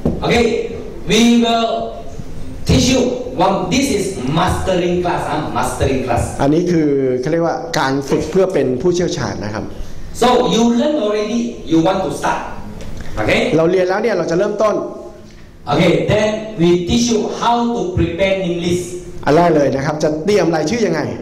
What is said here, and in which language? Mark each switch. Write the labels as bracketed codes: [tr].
[en] Okay, we will teach you one. This is mastering class. [th] อันนี้คือเขาเรียกว่าการฝึกเพื่อเป็นผู้เชี่ยวชาญนะครับ [en] So you learn already. You want to start. Okay. [th] เราเรียนแล้วเนี่ยเราจะเริ่มต้น [en] Okay, then we teach you how to prepare name list. [th] อันแรกเลยนะครับจะเตรียมรายชื่อยังไง